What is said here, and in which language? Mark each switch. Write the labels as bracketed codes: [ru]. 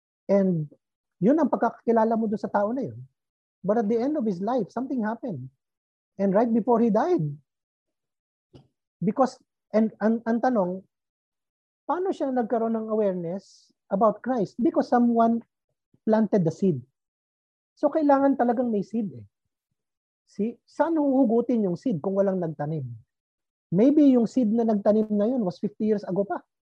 [tl] And yun ang pagkakakilala mo doon sa tao na yun. [en] But at the end of his life, something happened. And right before he died. [tl] Because, and ang tanong, paano siya nagkaroon ng awareness [en] about Christ because someone planted the seed. So [tl] kailangan talagang may seed eh. See, saan huhugutin yung seed kung walang nagtanim? Maybe yung seed na nagtanim na yun [en] was 50 years ago [tl] pa.